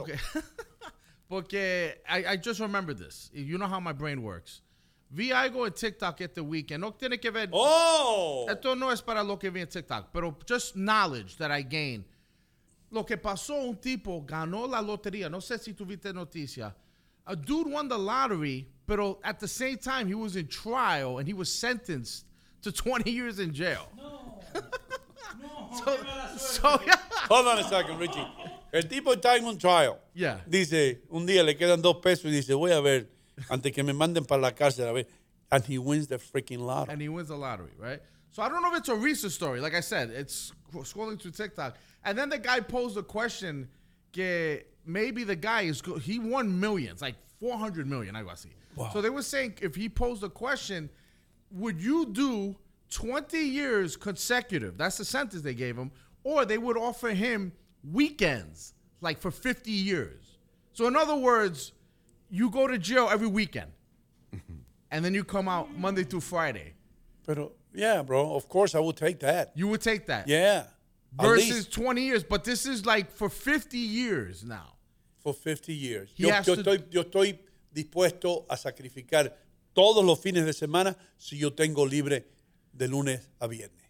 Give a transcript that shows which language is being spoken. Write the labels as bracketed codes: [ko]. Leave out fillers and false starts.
[en] Ok. Porque I just remembered this. You know how my brain works. [es] Vi algo en TikTok este weekend. No tiene que ver. Oh! Esto no es para lo que vi en TikTok. Pero [en] just knowledge that I gained. [es] Lo que pasó, un tipo ganó la lotería. No sé si tuviste noticia. [en] A dude won the lottery, pero at the same time, he was in trial and he was sentenced to 20 years in jail. No. No. So, hold on a second, Richie. [es] El tipo está en un trial. [en] Yeah. [es] Dice, un día le quedan $2 y dice, voy a ver, antes que me manden para la cárcel, a ver. [en] And he wins the freaking lottery. And he wins the lottery, right? So I don't know if it's a recent story. Like I said, it's scrolling through TikTok. And then the guy posed a question, que maybe the guy is, he won millions, like 400 million, [es] algo así. [en] Wow. So they were saying, if he posed a question, would you do 20 years consecutive? That's the sentence they gave him. Or they would offer him weekends, like for 50 years. So in other words, you go to jail every weekend and then you come out Monday through Friday. Pero, yeah, bro, of course I would take that. You would take that? Yeah. Versus 20 years, but this is like for 50 years now. For 50 years. [es] Yo estoy dispuesto a sacrificar todos los fines de semana si yo tengo libre de lunes a viernes.